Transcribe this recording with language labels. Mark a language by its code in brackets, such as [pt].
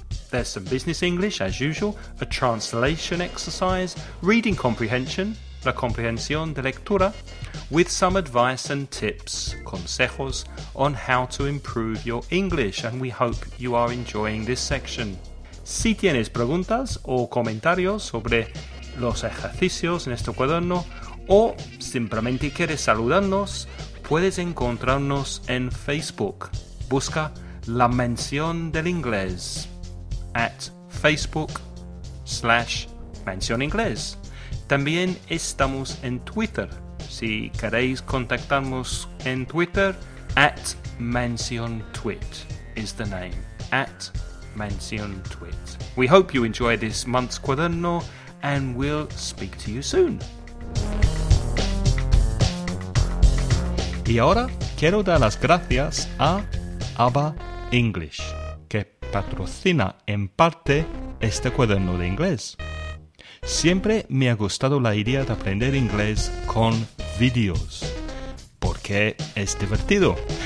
[en] There's some business English, as usual, a translation exercise, reading comprehension, [es] la comprensión de lectura, [en] with some advice and tips, consejos, on how to improve your English, and we hope you are enjoying this section. [es] Si tienes preguntas o comentarios sobre los ejercicios en este cuaderno, o simplemente quieres saludarnos, puedes encontrarnos en Facebook. Busca La Mención del Inglés at facebook.com/mencioninglés. También estamos en Twitter. Si queréis contactarnos en Twitter, [en] at mencionTwit is the name. At mencionTwit. We hope you enjoy this month's cuaderno and we'll speak to you soon. [es] Y ahora quiero dar las gracias a ABBA English, que patrocina en parte este cuaderno de inglés. Siempre me ha gustado la idea de aprender inglés con vídeos, porque es divertido.